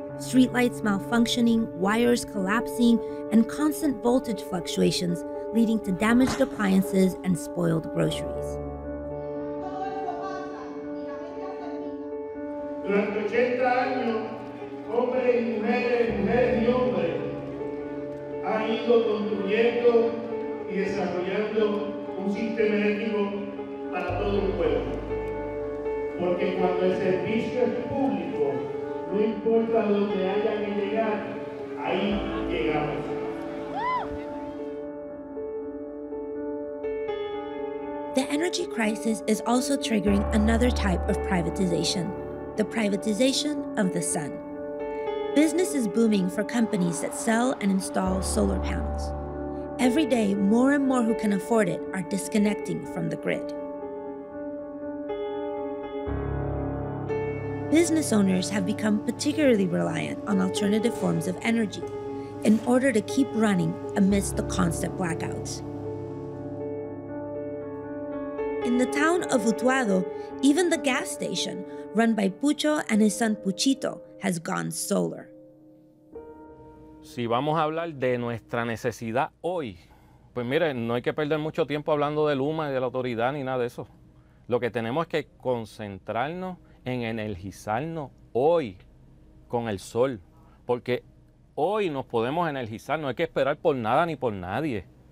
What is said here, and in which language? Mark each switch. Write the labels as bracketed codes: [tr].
[en] Streetlights malfunctioning, wires collapsing, and constant voltage fluctuations leading to damaged appliances and spoiled groceries. [es] Durante 80 años, hombres y mujeres y hombres, han ido construyendo y desarrollando un sistema eléctrico para todo el pueblo. Porque cuando el servicio es público, no importa dónde haya que llegar, ahí llegamos. [en] The energy crisis is also triggering another type of privatization. The privatization of the sun. Business is booming for companies that sell and install solar panels. Every day, more and more who can afford it are disconnecting from the grid. Business owners have become particularly reliant on alternative forms of energy in order to keep running amidst the constant blackouts. In the town of Utuado, even the gas station, run by Pucho and his son Puchito, has gone solar. [es] Si vamos a hablar de nuestra necesidad hoy, pues mire, no hay que perder mucho tiempo hablando de LUMA y de la autoridad ni nada de eso. Lo que tenemos es que concentrarnos en energizarnos hoy con el sol, porque hoy nos podemos energizar, no hay que esperar por nada ni por nadie.